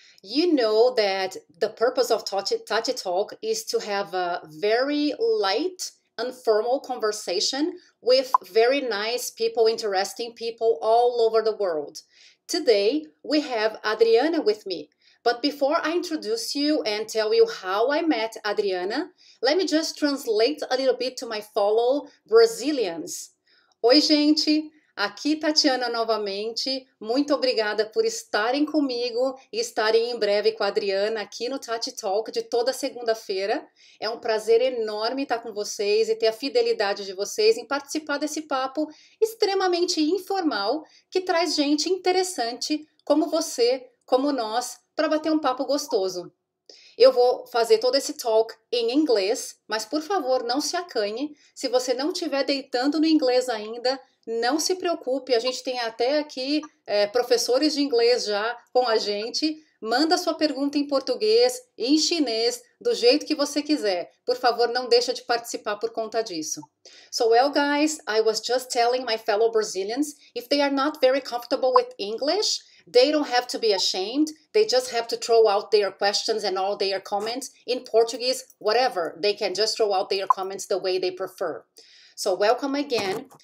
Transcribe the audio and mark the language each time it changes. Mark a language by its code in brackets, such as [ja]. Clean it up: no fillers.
[en] You know that the purpose of Tachi Talk is to have a very light, informal conversation with very nice people, interesting people all over the world. Today, we have Adriana with me. But before I introduce you and tell you how I met Adriana, let me just translate a little bit to my fellow Brazilians. [pt] Oi, gente. Aqui Tatiana novamente. Muito obrigada por estarem comigo e estarem em breve com a Adriana aqui no Tati Talk de toda segunda-feira. É um prazer enorme estar com vocês e ter a fidelidade de vocês em participar desse papo extremamente informal que traz gente interessante como você, como nós, para bater um papo gostoso. Eu vou fazer todo esse talk em inglês, mas por favor, não se acanhe. Se você não estiver deitando no inglês ainda, não se preocupe. A gente tem até aqui professores de inglês já com a gente. Manda sua pergunta em português, em chinês, do jeito que você quiser. Por favor, não deixa de participar por conta disso. [en] So, well, guys, I was just telling my fellow Brazilians, if they are not very comfortable with English, they don't have to be ashamed. They just have to throw out their questions and all their comments in Portuguese, whatever. They can just throw out their comments the way they prefer. So welcome again.